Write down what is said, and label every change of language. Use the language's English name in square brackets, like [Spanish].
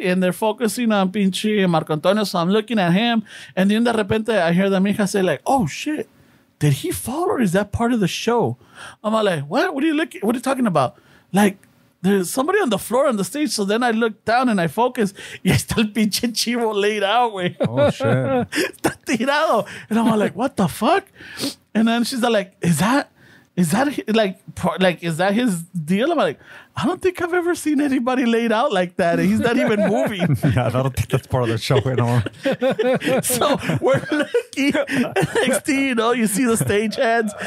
[English] And they're focusing on pinche Marco Antonio, so I'm looking at him. And then [Spanish] de repente, [English] I hear the mija say like, oh, shit. Did he fall or is that part of the show? I'm all like, what? What are you talking about? Like, there's somebody on the floor on the stage. So then I look down and I focus. [Spanish] Y está el pinche chivo [English] laid out, [Spanish] güey. [English] Oh, shit. [Spanish] Está tirado. [English] And I'm all like, what the fuck? And then she's like, is that his deal? I'm like, I don't think I've ever seen anybody laid out like that. He's not even moving. Yeah, I don't think that's part of the show anymore. So we're lucky. NXT, you know, you see the stagehands.